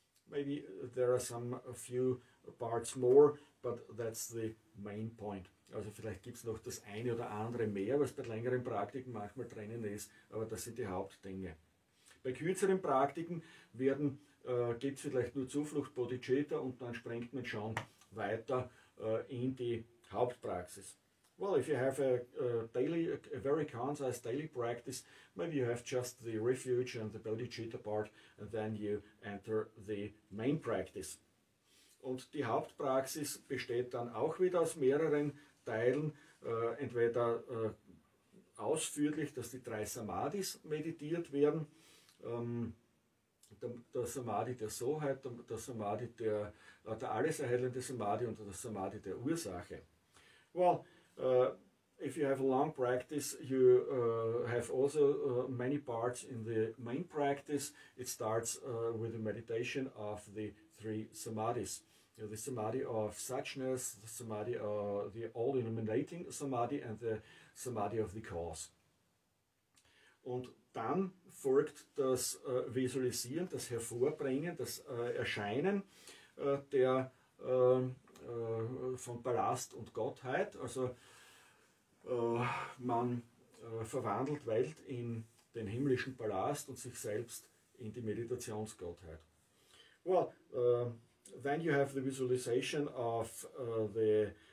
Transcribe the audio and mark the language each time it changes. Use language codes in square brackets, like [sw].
[en] Maybe there are a few parts more, but that's the main point. [de] Also vielleicht gibt es noch das eine oder andere mehr, was bei längeren Praktiken manchmal drinnen ist, aber das sind die Hauptdinge. Bei kürzeren Praktiken gibt es vielleicht nur Zuflucht, Bodhicitta, und dann springt man schon weiter in die Hauptpraxis. [en] Well, if you have a very concise daily practice, maybe you have just the refuge and the bodhicitta part, and then you enter the main practice. [de] Und die Hauptpraxis besteht dann auch wieder aus mehreren Teilen, entweder ausführlich, dass die drei Samadhis meditiert werden, der Samadhi der Soheit, der Samadhi der alles erhellende Samadhi und der Samadhi der Ursache. [en] Well, if you have a long practice, you have also many parts in the main practice. It starts with the meditation of the three samadhis. The samadhi of suchness, the samadhi of the all-illuminating samadhi, and the samadhi of the cause. [de] Und dann folgt das Visualisieren, das Hervorbringen, das Erscheinen von Palast und Gottheit. Also man verwandelt Welt in den himmlischen Palast und sich selbst in die Meditationsgottheit. [en] Well, then you have the visualization of the